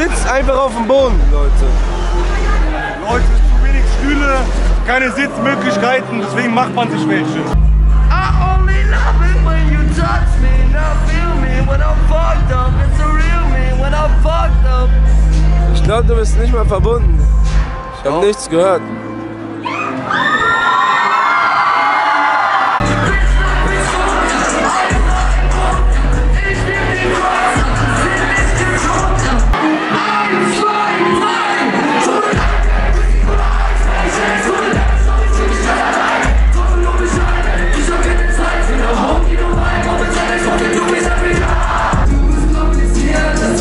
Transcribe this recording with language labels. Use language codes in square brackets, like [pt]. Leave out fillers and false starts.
[de] Einfach auf dem Boden, Leute. Leute, zu wenig Stühle, keine Sitzmöglichkeiten, deswegen macht man sich welche. [en] I only love it when you touch me, not feel me when I'm fucked up. It's a real me when I'm fucked up. [de] Ich glaube, du bist nicht mal verbunden. Ich habe nichts gehört. Du bist mein Lieblingstier.